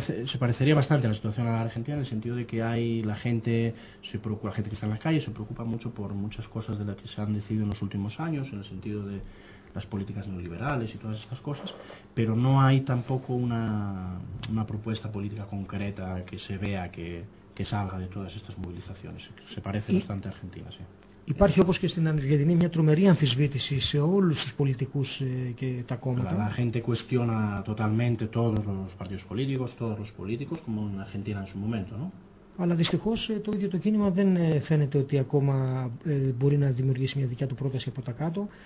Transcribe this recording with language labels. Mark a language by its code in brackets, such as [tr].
[es] Se parecería bastante la situación a la Argentina en el sentido de que hay la gente que está en las calles se preocupa mucho por muchas cosas de las que se han decidido en los últimos años, en el sentido de las políticas neoliberales y todas estas cosas, pero no hay tampoco una propuesta política concreta que se vea que salga de todas estas movilizaciones. Se parece bastante a Argentina, sí. [el] Υπάρχει όπως και στην Αργεντινή μια τρομερή αμφισβήτηση σε όλους τους πολιτικούς και τα κόμματα. [es] La gente cuestiona totalmente todos los partidos políticos, todos los políticos, como en Argentina en su momento, ¿no? [el] Αλλά δυστυχώς το ίδιο το κίνημα δεν φαίνεται ότι ακόμα μπορεί να δημιουργήσει μια δικιά του πρόταση από τα κάτω.